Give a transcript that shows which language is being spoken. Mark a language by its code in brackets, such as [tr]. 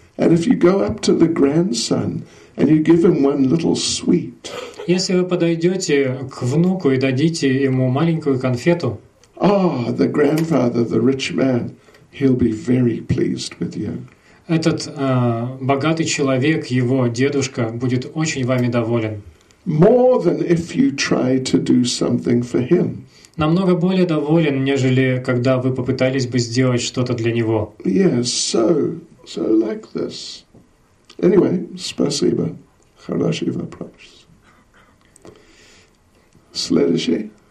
[ru] Если вы подойдете к внуку и дадите ему маленькую конфету, этот богатый человек, его дедушка, будет очень вами доволен. [en] More than if you try to do something for him. [ru] Намного более доволен, нежели когда вы попытались бы сделать что-то для него. [en] Yes, so like this. Anyway, [ru] спасибо. Хороший вопрос. Следующий.